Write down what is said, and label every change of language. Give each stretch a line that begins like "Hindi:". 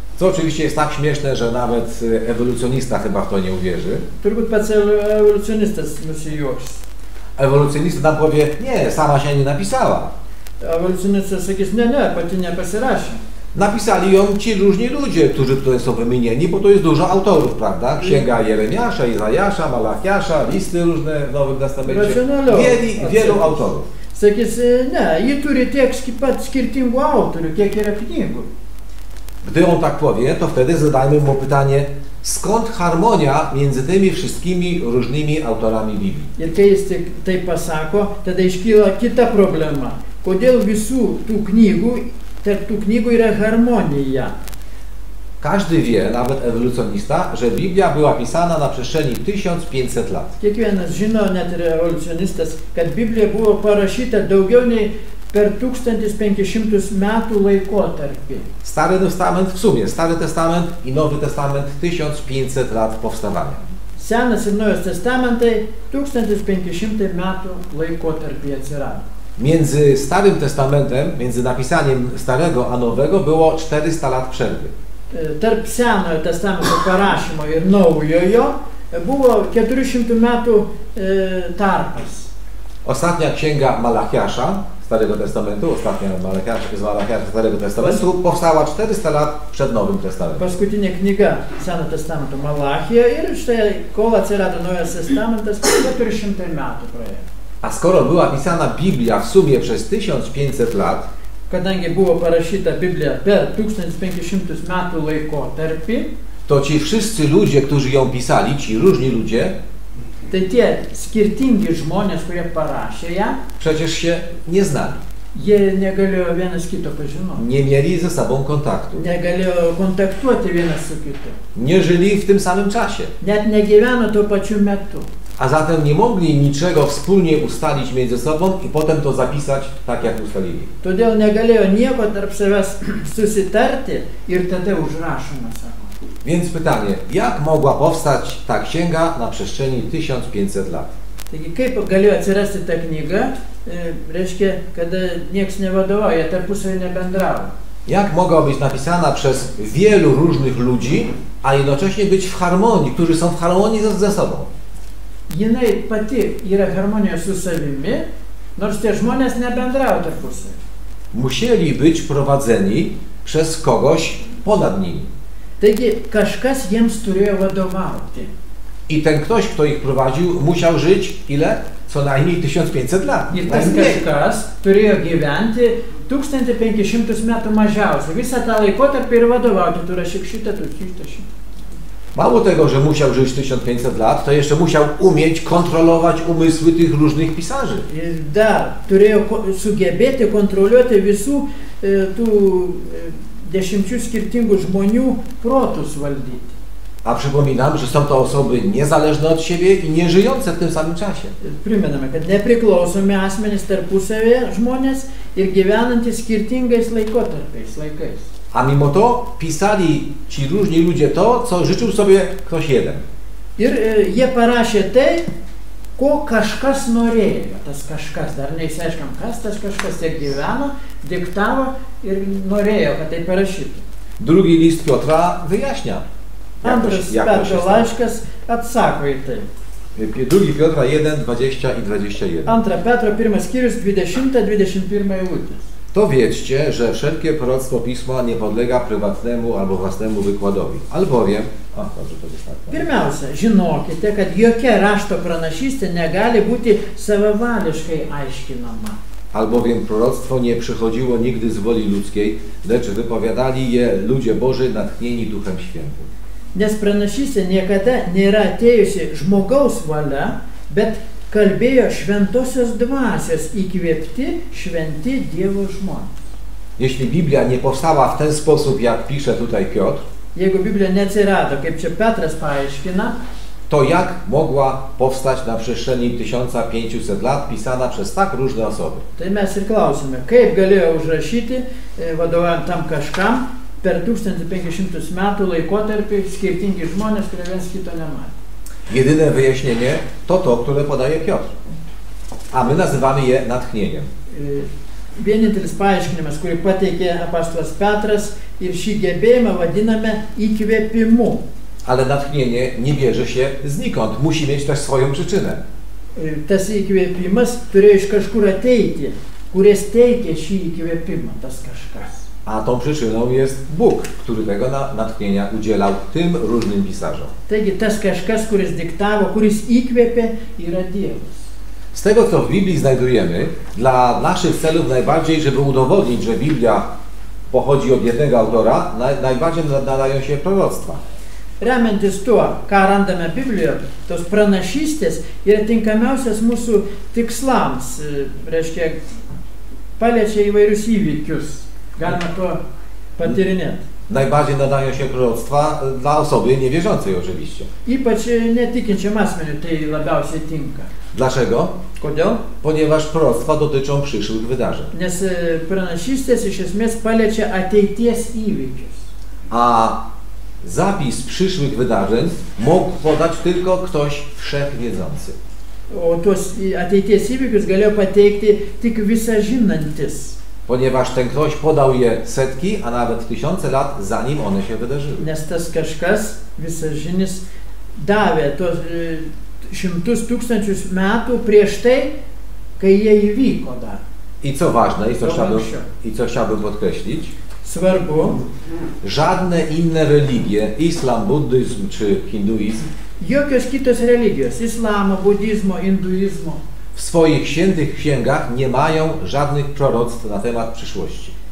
Polish: To oczywiście jest tak śmieszne, że nawet ewolucjonista chyba w to nie uwierzy.
Lithuanian: Turbūt pats evolucjonistas musi juoks.
Polish: Ewolucjonista nam powie, nie, sama się nie napisała.
Lithuanian: Ewolucjonista sakys, nie, pati nie pasirašė.
Polish: Napisali ją ci różni ludzie, którzy tutaj są wymienieni, bo to jest dużo autorów, prawda? Księga Jeremiasza, Izajasza, Malachiasza, listy różne w Nowym Testamencie. Mieli wielu autorów.
Lithuanian: Sakys, nie, i turi tiek pat skirtingų autorių, kiek yra knygų.
Polish: Gdy on tak powie, to wtedy zadajmy mu pytanie, skąd harmonia między tymi wszystkimi różnymi autorami Biblii?
Lithuanian: Jak jest tej pasako, wtedy iškyla kita problema. Kodėl visų tų knygų, tarp tų knygų yra harmonija?
Polish: Każdy wie, nawet ewolucjonista, że Biblia była pisana na przestrzeni 1500 lat.
Lithuanian: Kiekvienas žino, net ir evolucionistas, kad Biblia buvo parašyta daugiau nei per 1500 metų laikotarpį.
Polish: Stary Testament w sumie, Stary Testament i Nowy Testament 1500 lat powstawania.
Lithuanian: Senas ir Naujas Testamentai 1500 metų laikotarpį atsirado.
Polish: Między Starym Testamentem, między napisaniem Starego a Nowego było 400 lat przerwy.
Lithuanian: Tarp Senojo Testamento parašymo ir Naujojo buvo 400 metų tarpas.
Polish: Ostatnia księga Malachiasza Starego Testamentu, ostatnia z Malachiasza Starego Testamentu, powstała 400 lat przed Nowym Testamentem.
Lithuanian: Paskutinė knyga Senojo Testamento Malachija ir štai kol atsirado Naujas Testamentas 400 metų praėjo.
Polish: A skoro była pisana Biblia w sumie przez 1500 lat,
Lithuanian: kadangi buvo parašyta Biblia per 1500 metų laikotarpį,
Polish: to ci wszyscy ludzie, którzy ją pisali, ci różni ludzie,
Lithuanian: tai tie skirtingi žmonės, kurie parašė ją,
Polish: przecież się nie znali.
Lithuanian: Jie negalėjo vienas kito pažinoti.
Polish: Nie mieli ze sobą kontaktu.
Lithuanian: Negalėjo kontaktuoti vienas su kitu.
Polish: Nie žili w tym samym czasie.
Lithuanian: Net negyveno tuo pačiu metu.
Polish: A zatem nie mogli niczego wspólnie ustalić między sobą i potem to zapisać tak, jak ustalili.
Lithuanian: Todėl negalėjo nieko tarp savęs susitarti ir tada užrašoma sako.
Polish: Więc pytanie, jak mogła powstać ta księga na przestrzeni 1500 lat?
Lithuanian: Taigi, kaip galėjo atsirasti ta knyga, reiškia, kada nieks nevadovauja, tarpusavyje nebendravo.
Polish: Jak mogła być napisana przez wielu różnych ludzi, a jednocześnie być w harmonii, którzy są w harmonii ze sobą?
Lithuanian: Jinai pati yra harmonijos su savimi, nors tie žmonės nebendrauja tarpusavyje.
Polish: Musieli być prowadzeni przez kogoś ponad nimi.
Lithuanian: Taigi kažkas jiems turėjo vadovauti.
Polish: I ten ktoś, kto ich prowadził, musiał żyć ile? Co najmniej 1500 lat.
Lithuanian: I ten kažkas turėjo gyventi 1500 metų mažiausiai. Visą tą laikotarpį ir vadovauti. Tu rašyk šitą, tu šitą.
Polish: Mało tego, że musiał żyć 1500 lat, to jeszcze musiał umieć kontrolować umysły tych różnych pisarzy.
Lithuanian: Da, turėjo sugebėti kontroliuoti visų tų dešimčių skirtingų žmonių protus valdyti.
Polish: A przypominam, że są to osoby niezależne od siebie i nie żyjące w tym samym czasie. Przypominamy, że
Lithuanian: nepriklausomi asmenys tarpusavyje žmonės ir gyvenantys skirtingais laikotarpiais, laikais.
Polish: A mimo to pisali ci różni ludzie to, co życzył sobie ktoś jeden.
Lithuanian: Ir jie parašė tai, ko kažkas norėjo. Tas kažkas, dar neįsiaiškam, kas tas kažkas, jie gyveno, diktavo ir norėjo, kad tai parašytų.
Polish: Drugi list Piotra wyjaśnia.
Lithuanian: Andrus Petro laiškas atsako į tai.
Polish: 2 Piotra 1, 20 i 21.
Lithuanian: 2 Petro 1 skyrius 20-21 eilutės.
Polish: To wiedzcie, że wszelkie proroctwo Pisma nie podlega prywatnemu albo własnemu wykładowi. Albowiem...
Lithuanian: Pirmiausia, žinokite, kad jokia rašto pranašystė negali būti savavališkai aiškinama.
Polish: Albowiem proroctwo nie przychodziło nigdy z woli ludzkiej, lecz wypowiadali je ludzie Boży natchnieni Duchem Świętym.
Lithuanian: Nes pranašystė niekada nėra atėjusi žmogaus valia, bet kalbėjo šventosios dvasios įkvėpti šventi Dievo žmonės.
Polish: Jeśli Biblia nie powstała w ten sposób, jak pisze tutaj Piotr,
Lithuanian: jego Biblia nie atsirado, kaip čia Petras paaiškina,
Polish: to jak mogła powstać na przestrzeni 1500 lat pisana przez tak różne osoby?
Lithuanian: Tai mes ir klausime, kaip galėjo užrašyti, vadovaujant tam kažkam, per 1500 metų laikotarpį skirtingi žmonės, kurie viens kito nematė.
Polish: Jedyne wyjaśnienie to to, które podaje Piotr. A my nazywamy je natchnieniem.
Lithuanian: Vienintelis paaiškinimas, kurį pateikė apaštalas Petras, ir šį gebėjimą vadiname įkvėpimu.
Polish: Ale natchnienie nie bierze się znikąd. Musi mieć też swoją przyczynę.
Lithuanian: Tas įkvėpimas turėjo iš kažkur ateiti, kuris teikė šį įkvėpimą, tas kažkas.
Polish: A tą przyczyną jest Bóg, który tego natchnienia udzielał tym różnym pisarzom.
Lithuanian: Taigi, tas kažkas, kuris diktavo, kuris įkvėpė, yra Dievas.
Polish: Z tego, co w Biblii znajdujemy, dla naszych celów najbardziej, żeby udowodnić, że Biblia pochodzi od jednego autora, najbardziej nadają się proroctwa.
Lithuanian: Remiantis tuo, ką randame Biblijoje, tos pranašystės yra tinkamiausias mūsų tikslams, reiškia, paliečia įvairius įvykius. Galima to patyrinėti.
Polish: Najbardziej nadają się proroctwa dla osoby niewierzącej oczywiście.
Lithuanian: Ypač netikinčiam asmeniui tai labiausiai tinka.
Polish: Dlaczego?
Lithuanian: Kodėl?
Polish: Ponieważ proroctwa dotyczą przyszłych wydarzeń.
Lithuanian: Nes pranašystės iš esmės paliečia ateities įvykius.
Polish: A zapis przyszłych wydarzeń mógł podać tylko ktoś wszechwiedzący.
Lithuanian: O tos ateities įvykius galėjo pateikti tik visažinantis.
Polish: Ponieważ ten ktoś podał je setki, a nawet tysiące lat, zanim one się wydarzyły.
Lithuanian: Nes tas kažkas, visažinis, davė tos šimtus tūkstančius metų prieš tai, kai jie įvyko dar.
Polish: I co ważne, i co chciałbym podkreślić,
Lithuanian: svarbu,
Polish: żadne inne religie, islam, buddyzm czy hinduizm,
Lithuanian: jokios kitos religijos, islamo, buddyzmo, hinduizmo,
Polish: w swoich świętych księgach nie mają żadnych proroctw na temat przyszłości.